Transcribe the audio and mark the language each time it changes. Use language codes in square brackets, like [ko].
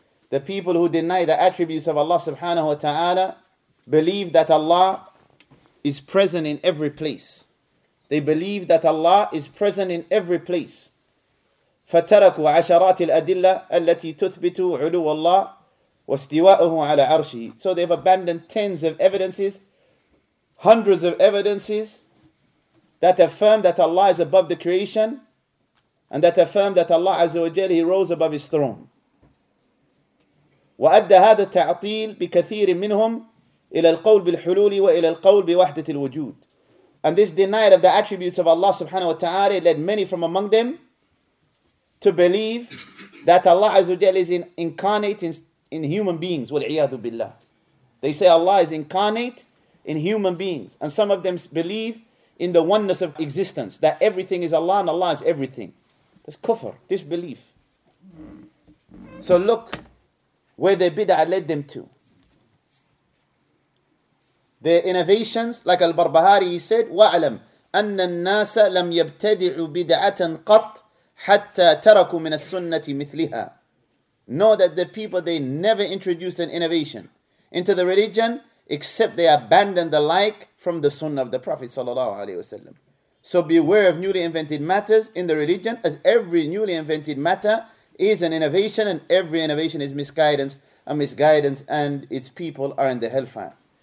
[en] The people who deny the attributes of Allah subhanahu wa ta'ala believe that Allah is present in every place. They believe that Allah is present in every place. [ar] فتركوا عشرات الأدلة التي تثبت علو الله واستواءه على عرشه. [en] So they've abandoned tens of evidences, hundreds of evidences that affirm that Allah is above the creation and that affirm that Allah Azza wa Jalla, He rose above His throne. [ar] وَأَدَّ هَذَا التَّعْطِيلِ بِكَثِيرٍ مِّنْهُمْ إِلَى الْقَوْلِ بِالْحُلُولِ وَإِلَى الْقَوْلِ بِوَحْدَةِ الْوُجُودِ. [en] And this denial of the attributes of Allah subhanahu wa ta'ala led many from among them to believe that Allah Azza wa Jalla is incarnate in human beings. [ar] وَالْعِيَادُ بِاللَّهِ. [en] They say Allah is incarnate in human beings. And some of them believe in the oneness of existence, that everything is Allah and Allah is everything. That's kufr, disbelief. So look where their bid'ah led them to. Their innovations, like Al-Barbahari, he said, [ar] وَعْلَمْ أَنَّ النَّاسَ لَمْ يَبْتَدِعُوا بِدْعَةً قَطْ حَتَّى تَرَكُوا مِنَ السُنَّةِ مِثْلِهَا. [en] Know that the people, they never introduced an innovation into the religion, except they abandon the like from the Sunnah of the Prophet sallallahu alaihi wasallam. So beware of newly invented matters in the religion, as every newly invented matter is an innovation, and every innovation is misguidance, and misguidance and its people are in the hellfire.